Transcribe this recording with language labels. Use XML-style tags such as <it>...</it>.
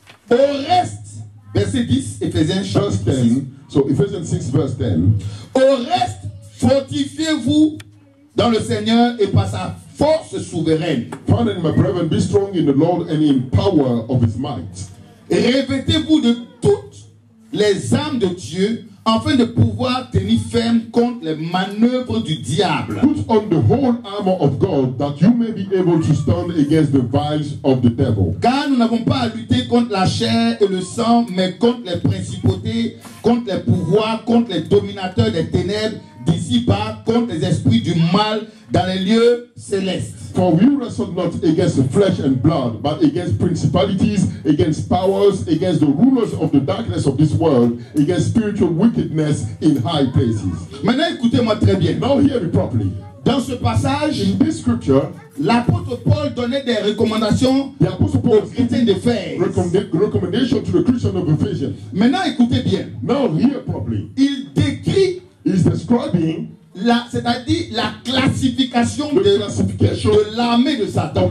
<fr>Au reste, verset 10, Ephésiens chapitre 6.</fr> <en>So Ephesians 6 verse 10.</en> <fr>Au reste, fortifiez-vous dans le Seigneur et par sa force souveraine.</fr> <en>Pardon, my brethren, be strong in the Lord and in power of his might.</en> <fr>Revêtez-vous de toutes les armes de Dieu afin de pouvoir tenir ferme contre les manœuvres du diable.</fr> <en>Put on the whole armor of God that you may be able to stand against the wiles of the devil.</en> <fr>Car nous n'avons pas à lutter contre la chair et le sang, mais contre les principautés, contre les pouvoirs, contre les dominateurs des ténèbres d'ici-bas, contre les esprits du mal dans les lieux célestes.</fr> <en>For we wrestle not against flesh and blood, but against principalities, against powers, against the rulers of the darkness of this world, against spiritual wickedness in high places.</en> <fr>Maintenant, écoutez-moi très bien.</fr> <en>Now hear me properly.</en> <fr>Dans ce passage,</fr> <en>in this scripture,</en> <fr>l'apôtre Paul donnait des recommandations aux chrétiens d'Éphèse.</fr> <en>Recommendation to the Christian of Ephesians.</en> <fr>Maintenant, écoutez bien.</fr> <en>Now hear properly.</en> <fr>Il décrit,</fr> <en>he's describing,</en> <fr>c'est-à-dire la classification de l'armée de Satan,</fr>